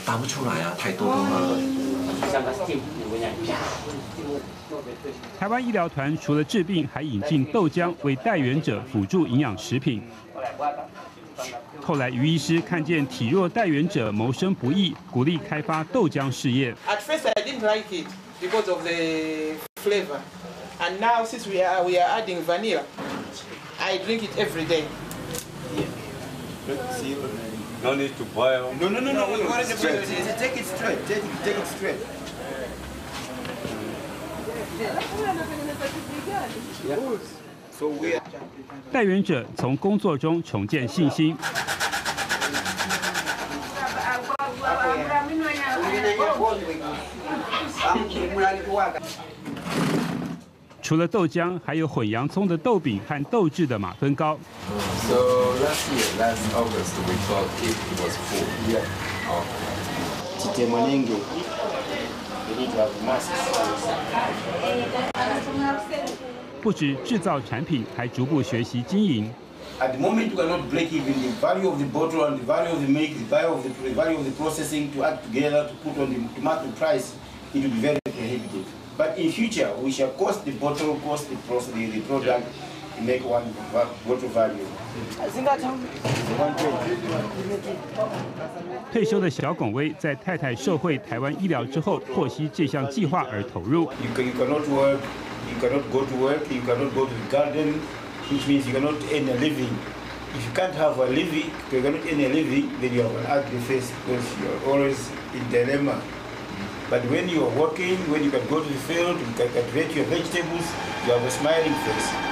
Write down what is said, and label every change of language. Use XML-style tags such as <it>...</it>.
<zh>大不出来啊，太多了嘛。台湾医疗团除了治病，还引进豆浆为带源者辅助营养食品。后来于医师看见体弱带源者谋生不易，鼓励开发豆浆事业。</zh> <en>At first I didn't like it because of the flavor, and now since we are adding vanilla, I drink it every day. Yeah. No need to boil. No. Take it straight.</en> <zh>带源者从工作中重建信心。除了豆浆，还有混洋葱的豆饼和豆制的马芬糕。</zh> <en>So last August we thought it was full. Yeah. Okay. Today morning, we need to have masks.</en> <zh>不止制造产品，还逐步学习经营。</zh> <en>At the moment, we cannot break even the value of the bottle and the value of the make, the value of the processing to add together to put on the market price. It will be very prohibitive. But in future, we shall cost the bottle, cost the process, the product, to make one bottle value.</en> <zh>退休的小巩威在太太受惠台湾医疗之后，获悉这项计划而投入。</zh> <en>You cannot work, you cannot go to work, you cannot go to the garden, which means you cannot earn a living. If you can't have a living, you cannot earn a living, then you are at the face because you are always in dilemma. But when you are working, when you can go to the field, you can get your vegetables, you have a smiling face.</en>